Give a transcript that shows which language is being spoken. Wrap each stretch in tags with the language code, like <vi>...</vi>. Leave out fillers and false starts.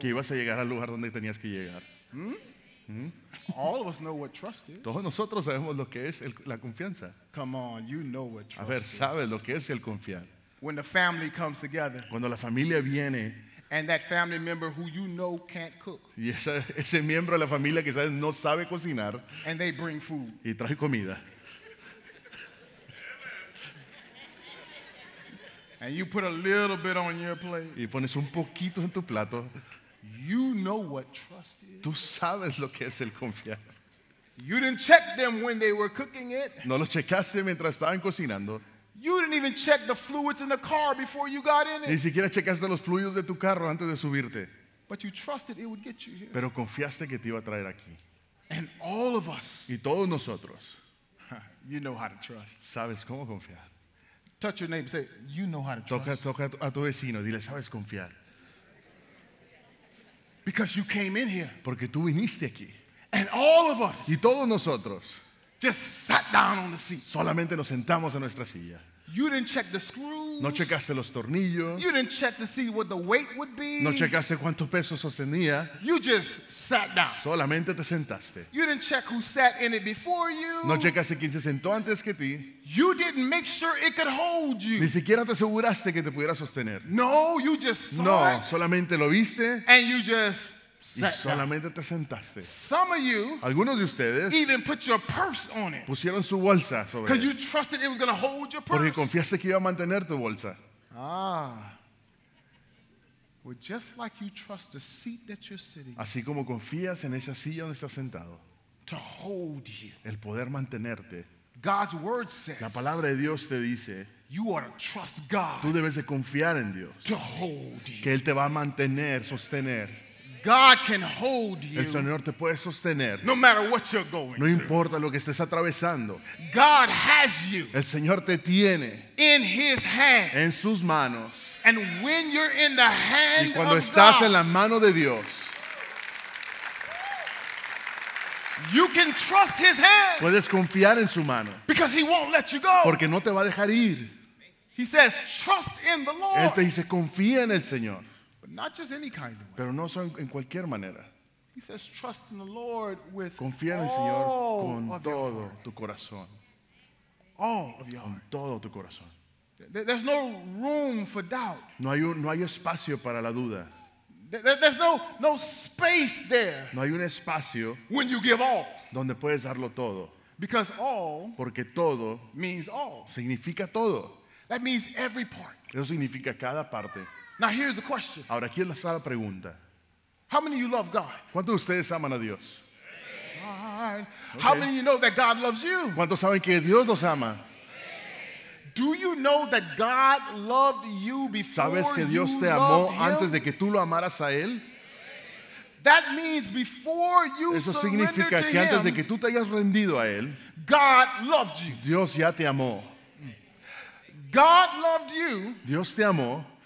<es>Que ibas a llegar al lugar donde tenías que llegar.</es> <en>All of us know what trust is.</en> <es>Todos nosotros sabemos lo que es la confianza.</es> <en>Come on, you know what trust is.</en> <es>A ver, ¿sabes lo que es el confiar?</es> <en>When the family comes together.</en> <es>Cuando la familia viene.</es> <en>And that family member who you know can't cook.</en> <es>Y ese miembro de la familia que sabes no sabe cocinar.</es> <en>And they bring food.</en> <es>Y trae comida.</es> <en>And you put a little bit on your plate.</en> <es>Y pones un poquito en tu plato.</es> <en>You know what trust is.</en> <es>Tú sabes lo que es el confiar.</es> <en>You didn't check them when they were cooking it.</en> <es>No lo checaste mientras estaban cocinando.</es> <en>You didn't even check the fluids in the car before you got in it.</en> <es>Ni siquiera checaste los fluidos de tu carro antes de subirte.</es> <en>But you trusted it would get you here.</en> <es>Pero confiaste que te iba a traer aquí.</es> <en>And all of us.</en> <es>Y todos nosotros.</es> <en>You know how to trust.</en> <es>Sabes cómo confiar.</es> <en>Touch your neighbor, say, you know how to trust.</en> <es>Toca a tu vecino, dile, sabes confiar.</es> <en>Because you came in here.</en> <es>Porque tú viniste aquí.</es> <en>And all of us.</en> <es>Y todos nosotros.</es> <en>Just sat down on the seat.</en> <es>Solamente nos sentamos en nuestra silla.</es> <en>You didn't check the screws.</en> <es>No checaste los tornillos.</es> <en>You didn't check to see what the weight would be.</en> <es>No checaste cuánto peso sostenía.</es> <en>You just sat down.</en> <es>Solamente te sentaste.</es> <en>You didn't check who sat in it before you.</en> <es>No checaste quién se sentó antes que ti.</es> <en>You didn't make sure it could hold you.</en> <es>Ni siquiera te aseguraste que te pudiera sostener.</es> <en>No, you just saw</en> <es>no,</es> <en>it.</en> <es>No, solamente lo viste.</es> <en>And you just</en> <es>y solamente te sentaste.</es> <en>Some of you,</en> <es>algunos de ustedes,</es> <en>even put your purse on it.</en> <es>Pusieron su bolsa sobre.</es> <en>Because you trusted it was going to hold your purse.</en> <es>Porque confiaste que iba a mantener tu bolsa. Ah.</es> <en>Well, just like you trust the seat that you're sitting.</en> <es>Así como confías en esa silla donde estás sentado.</es> <en>To hold you.</en> <es>El poder mantenerte.</es> <en>God's word says.</en> <es>La palabra de Dios te dice.</es> <en>You ought to trust God.</en> <es>Tú debes de confiar en Dios.</es> <en>To hold you.</en> <es>Que él te va a mantener, sostener.</es> <en>God can hold you.</en> <es>El Señor te puede sostener.</es> <en>No matter what you're going through.</en> <es>No importa lo que estés atravesando.</es> <en>God has you.</en> <es>El Señor te tiene.</es> <en>In his hand.</en> <es>En sus manos.</es> <en>And when you're in the hand of God.</en> <es>Y cuando estás en la mano de Dios.</es> <en>You can trust his hand.</en> <es>Puedes confiar en su mano.</es> <en>Because he won't let you go.</en> <es>Porque no te va a dejar ir.</es> <en>He says, trust in the Lord.</en> <es>Él te dice, confía en el Señor.</es> <en>Not just any kind of way.</en> <es>Pero no son en cualquier manera.</es> <en>He says, trust in the Lord with</en> <es>confía en el Señor con todo tu corazón.</es> <en>All of your</en> <es>con</es> <en>heart.</en> <es>Todo tu corazón.</es> <en>There's no room for doubt.</en> <es>No hay espacio para la duda.</es> <en>There's no space there.</en> <es>No hay un espacio</es> <en>when you give all.</en> <es>Donde puedes darlo todo.</es> <en>Because all</en> <es>porque todo</es> <en>means all.</en> <es>Significa todo.</es> <en>That means every part.</en> <es>Eso significa cada parte.</es> <en>Now here's the question.</en> <es>Ahora aquí es la pregunta.</es> <en>How many of you love God?</en> <es>¿Cuántos de ustedes aman a Dios?</es> <en>Okay. How many of you know that God loves you?</en> <es>¿Cuántos saben que Dios los ama?</es> <en>Do you know that God loved you before?</en> <es>¿Sabes que Dios te amó antes de que tú lo amaras a él?</es> <en>That means before you surrender to him.</en> <es>Eso significa que antes de que tú te hayas rendido a él,</es> <en>God loved you.</en> <es>Dios ya te amó.</es> <en>God loved you.</en> <es>Dios te amó.</es>